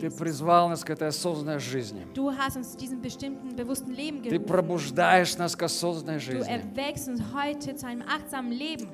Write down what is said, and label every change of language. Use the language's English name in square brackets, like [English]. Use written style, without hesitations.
[Russian] ты призвал нас к этой осознанной жизни. [German] Du hast uns diesem bestimmten, bewussten Leben gerufen. [Russian] Ты пробуждаешь нас к осознанной жизни. [German] Du erwächst uns heute zu einem achtsamen Leben.